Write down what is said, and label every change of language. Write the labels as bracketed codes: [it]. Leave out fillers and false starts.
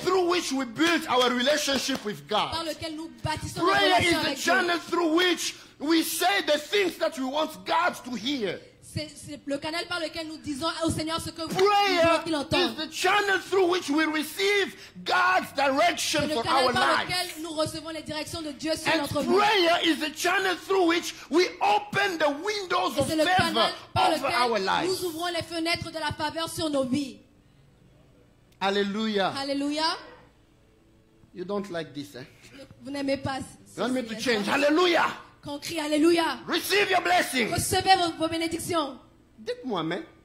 [en] Through which we build our relationship with God. [fr] Par lequel nous bâtissons notre relation. [en] Prayer is the channel through which we say the things that we want God to hear. [fr] C'est le canal par lequel nous disons au Seigneur ce que [en] prayer [fr] vous voulez qu'il entende. [en] Is the channel through which we receive God's direction for our lives. [fr] Le canal par lequel nous recevons les directions de Dieu sur [en] and [fr] notre vie. [en] Prayer is the channel through which we open the windows of favor over our lives. [fr] Nous ouvrons les fenêtres de la faveur sur nos vies. Alléluia. Alléluia. [en] You don't like this, eh? [fr] Vous n'aimez pas. [en] You want me to change? Alléluia. [fr] Quand on crie Alléluia. [en] Receive your blessing. [fr] Recevez vos bénédictions. Dites-moi Amen.